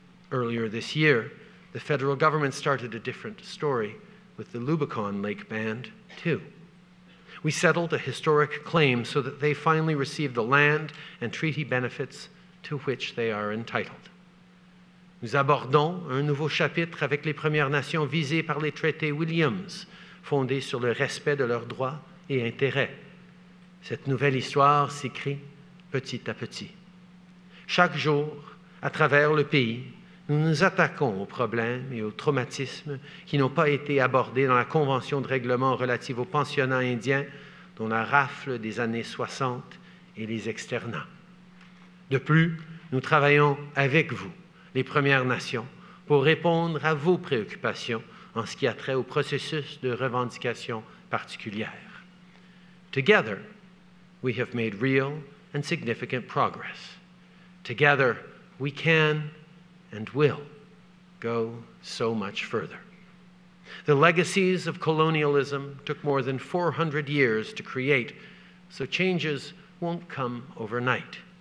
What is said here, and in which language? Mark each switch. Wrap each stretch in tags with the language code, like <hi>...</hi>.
<en>Earlier this year, the federal government started a different story with the Lubicon Lake Band, too. We settled a historic claim so that they finally received the land and treaty benefits to which they are entitled.</en> <fr>Nous abordons un nouveau chapitre avec les Premières Nations visées par les traités Williams, fondés sur le respect de leurs droits et intérêts. Cette nouvelle histoire s'écrit petit à petit. Chaque jour, à travers le pays, nous nous attaquons aux problèmes et aux traumatismes qui n'ont pas été abordés dans la Convention de règlement relative aux pensionnats indiens, dont la rafle des années 60 et les externats. De plus, nous travaillons avec vous, les Premières Nations, pour répondre à vos préoccupations en ce qui a trait au processus de revendication particulière.</fr> <en>Together, we have made real and significant progress. Together, we can and will go so much further. The legacies of colonialism took more than 400 years to create, so changes won't come overnight.</en>